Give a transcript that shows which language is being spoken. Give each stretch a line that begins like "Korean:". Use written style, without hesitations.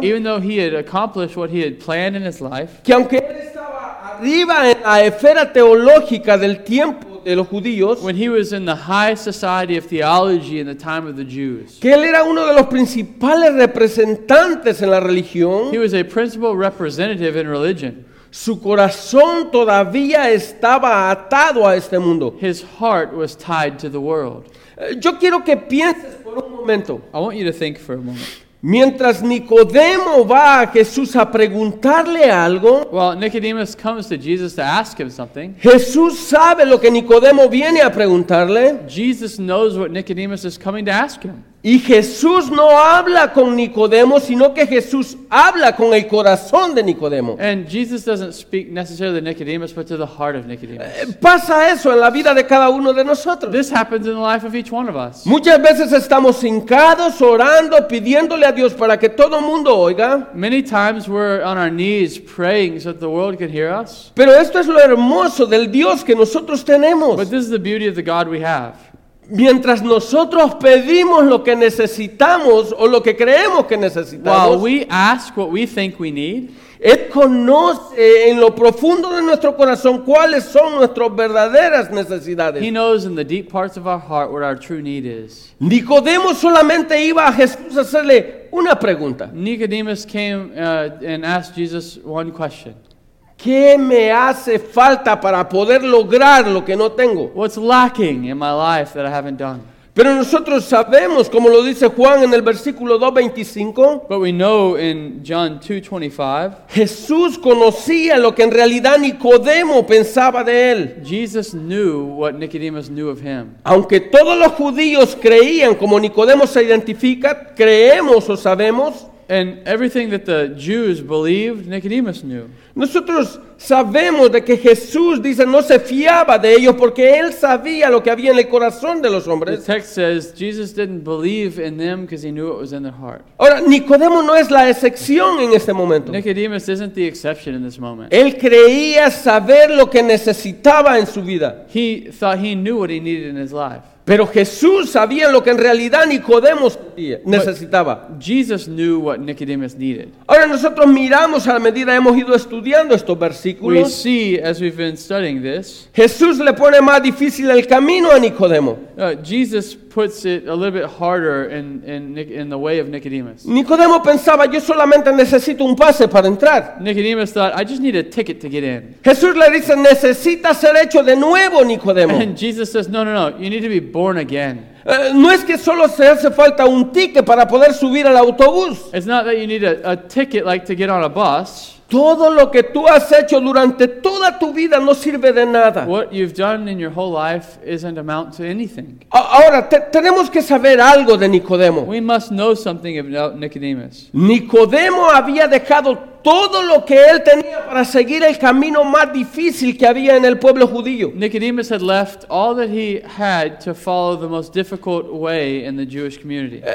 English: even though he had accomplished what he had planned in his life,
Spanish: que aunque él arriba en la esfera teológica del tiempo de los judíos,
English: when he was in the high society of theology in the time of the Jews,
Spanish: que él era uno de los principales representantes en la religión,
English: he was a principal representative in religion,
Spanish: su corazón todavía estaba atado a este mundo.
English: His heart was tied to the world.
Spanish: Yo quiero que pienses por un momento.
English: I want you to think for a moment.
Spanish: Mientras Nicodemo va a Jesús a preguntarle algo,
English: well, Nicodemus comes to Jesus to ask him something.
Spanish: Jesús sabe lo que Nicodemo viene a preguntarle.
English: Jesus knows what Nicodemus is coming to ask him.
Spanish: Y Jesús no habla con Nicodemo, sino que Jesús habla con el corazón de Nicodemo.
English: And Jesus doesn't speak necessarily to Nicodemus, but to the heart of Nicodemus.
Spanish: Pasa eso en la vida de cada uno de nosotros.
English: This happens in the life of each one of us.
Spanish: Muchas veces estamos hincados, orando, pidiéndole a Dios para que todo mundo oiga.
English: Many times we're on our knees praying so that the world can hear us.
Spanish: Pero esto es lo hermoso del Dios que nosotros tenemos.
English: But this is the beauty of the God we have.
Spanish: Mientras nosotros pedimos lo que necesitamos o lo que creemos que necesitamos,
English: while we ask what we think we need,
Spanish: Él conoce en lo profundo de nuestro corazón cuáles son nuestras verdaderas necesidades.
English: He knows in the deep parts of our heart what our true need is.
Spanish: Nicodemo solamente iba a Jesús a hacerle una pregunta.
English: Nicodemus came and asked Jesus one question.
Spanish: ¿Qué me hace falta para poder lograr lo que no tengo?
English: What's lacking in my life that I haven't done?
Spanish: Pero nosotros sabemos, como lo dice Juan en el versículo 2:25.
English: But we know in John 2:25.
Spanish: Jesús conocía lo que en realidad Nicodemo pensaba de él.
English: Jesus knew what Nicodemus knew of him.
Spanish: Aunque todos los judíos creían, como Nicodemo se identifica, creemos o sabemos.
English: And everything that the Jews believed, Nicodemus knew.
Spanish: Nosotros sabemos de que Jesús dice no se fiaba de ellos porque él sabía lo que había en el corazón de los hombres.
English: The text says Jesus didn't believe in them because he knew what was in their heart.
Spanish: Ahora, Nicodemo no es la excepción en este momento.
English: Nicodemus isn't the exception in this moment.
Spanish: Él creía saber lo que necesitaba en su vida.
English: He thought he knew what he needed in his life.
Spanish: Pero Jesús sabía lo que en realidad Nicodemo necesitaba.
English: But Jesus knew what Nicodemus needed.
Spanish: Ahora nosotros miramos a la medida que hemos ido estudiando estos versículos.
English: We see, as we've been studying this,
Spanish: Jesús le pone más difícil el camino a Nicodemo.
English: Jesus puts it a little bit harder in the way of Nicodemus.
Spanish: Nicodemo pensaba, yo solamente necesito un pase para entrar.
English: Nicodemus thought, I just need a ticket to get in.
Spanish: Jesús le dice, necesita ser hecho de nuevo, Nicodemo.
English: And Jesus says, no, you need to be born again.
Spanish: No es que solo se hace falta un ticket para poder subir al autobús.
English: It's not that you need a ticket like to get on a bus.
Spanish: Todo lo que tú has hecho durante toda tu vida no sirve de nada.
English: What you've done in your whole life isn't amount to anything.
Spanish: Ahora, tenemos que saber algo de Nicodemo.
English: We must know something about Nicodemus.
Spanish: Nicodemo había dejado todo lo que él tenía para seguir el camino más difícil que había en el pueblo judío.
English: Nicodemus had left all that he had to follow the most difficult way in the Jewish community.